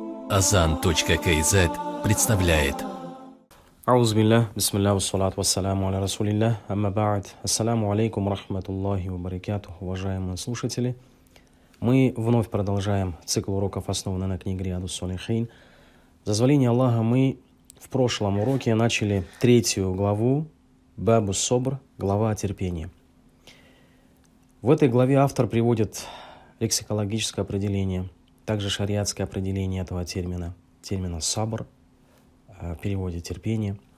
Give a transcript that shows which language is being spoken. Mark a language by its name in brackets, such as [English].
[Russian] Azan.kz представляет. [Arabic] أعوذ بالله بسم الله والصلاة والسلام على رسول الله أما بعد السلام عليكم ورحمة الله وبركاته [Russian] уважаемые слушатели. Мы вновь продолжаем цикл уроков, основанный на книге Риаду Солихин. За зволение Аллаха мы в прошлом уроке начали третью главу Бабу Собр, глава о терпении. В этой главе автор приводит лексикологическое определение, также шариатское определение этого термина, термина «сабр», в переводе «терпение».